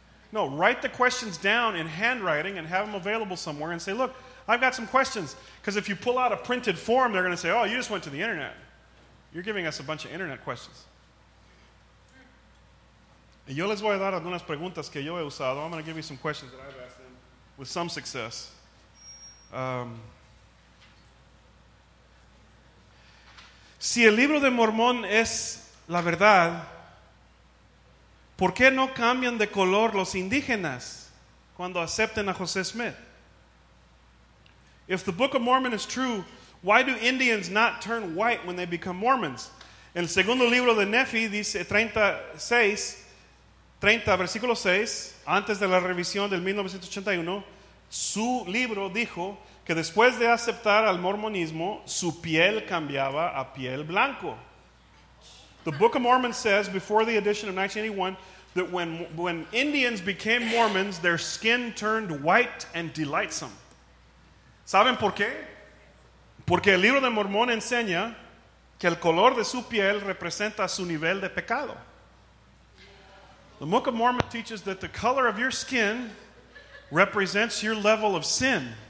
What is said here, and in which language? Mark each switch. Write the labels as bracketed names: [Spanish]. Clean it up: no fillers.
[English] No, write the questions down in handwriting and have them available somewhere and say, look, I've got some questions. Because if you pull out a printed form, they're going to say, oh, you just went to the internet. You're giving us a bunch of internet questions. [Spanish] Y yo les voy a dar algunas preguntas que yo he usado. [English] I'm going to give you some questions that I've asked them with some success. [Spanish] Si el libro de Mormón es la verdad, ¿por qué no cambian de color los indígenas cuando acepten a José Smith? [English] If the Book of Mormon is true, why do Indians not turn white when they become Mormons? [Spanish] El segundo libro de Nefi dice 36, 30 versículo 6, antes de la revisión del 1981, su libro dijo que después de aceptar al mormonismo, su piel cambiaba a piel blanco. [English] The Book of Mormon says before the edition of 1981 that when Indians became Mormons, their skin turned white and delightsome. [Spanish] ¿Saben por qué? Porque el libro de Mormón enseña que el color de su piel representa su nivel de pecado. [English] The Book of Mormon teaches that the color of your skin represents your level of sin.